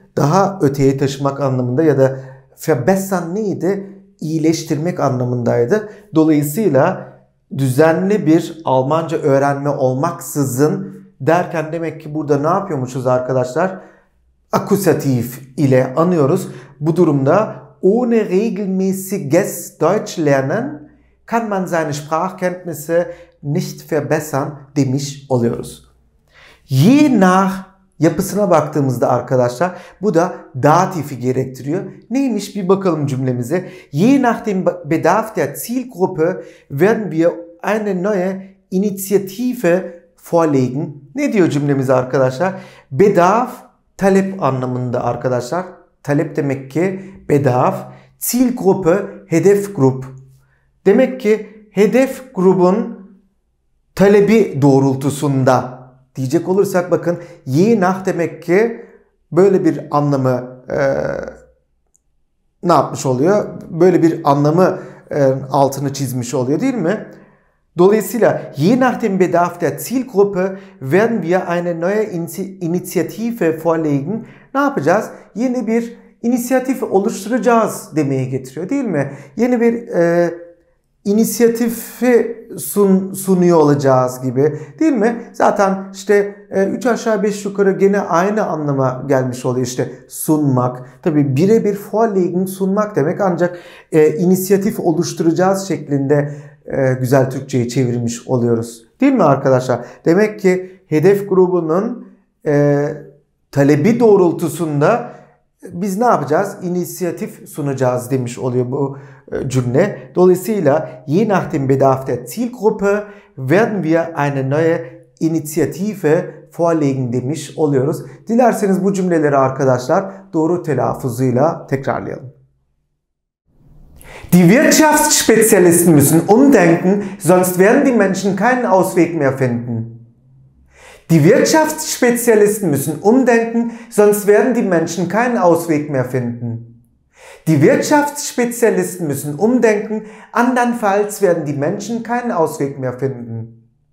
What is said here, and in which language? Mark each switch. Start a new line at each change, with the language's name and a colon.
Turkish: Daha öteye taşımak anlamında ya da verbessern neydi? İyileştirmek anlamındaydı. Dolayısıyla düzenli bir Almanca öğrenme olmaksızın derken, demek ki burada ne yapıyormuşuz arkadaşlar? Akkusatif ile anıyoruz. Bu durumda
German: ohne regelmäßiges Deutsch lernen kann man seine Sprachkenntnisse nicht verbessern
Turkish: demiş oluyoruz. Je nach yapısına baktığımızda arkadaşlar, bu da datifi gerektiriyor. Neymiş, bir bakalım cümlemize.
German: Je nach dem Bedarf der Zielgruppe werden wir eine neue Initiative vorlegen.
Turkish: Ne diyor cümlemize arkadaşlar? Bedarf, talep anlamında arkadaşlar. Talep demek ki bedarf. Zielgruppe, hedef grup. Demek ki hedef grubun talebi doğrultusunda diyecek olursak, bakın, je nach demek ki böyle bir anlamı ne yapmış oluyor? Böyle bir anlamı altını çizmiş oluyor, değil mi? Dolayısıyla
German: je nach dem Bedarf der Zielgruppe werden wir eine neue Initiative vorlegen.
Turkish: Ne yapacağız? Yeni bir inisiyatif oluşturacağız demeye getiriyor, değil mi? Yeni bir inisiyatifi sunuyor olacağız gibi, değil mi? Zaten işte 3 aşağı 5 yukarı gene aynı anlama gelmiş oluyor, işte sunmak. Tabii birebir vorlegen, sunmak demek, ancak inisiyatif oluşturacağız şeklinde güzel Türkçe'yi çevirmiş oluyoruz, değil mi arkadaşlar? Demek ki hedef grubunun talebi doğrultusunda biz ne yapacağız? İnisiyatif sunacağız demiş oluyor bu cümle. Dolayısıyla
German: je nach dem Bedarf der Zielgruppe werden wir eine neue Initiative vorlegen
Turkish: demiş oluyoruz. Dilerseniz bu cümleleri arkadaşlar doğru telaffuzuyla tekrarlayalım.
German: Die Wirtschaftsspezialisten müssen umdenken, sonst werden die Menschen keinen Ausweg mehr finden. Die Wirtschaftsspezialisten müssen umdenken, sonst werden die Menschen keinen Ausweg mehr finden. Die Wirtschaftsspezialisten müssen umdenken, andernfalls werden die Menschen keinen Ausweg mehr finden.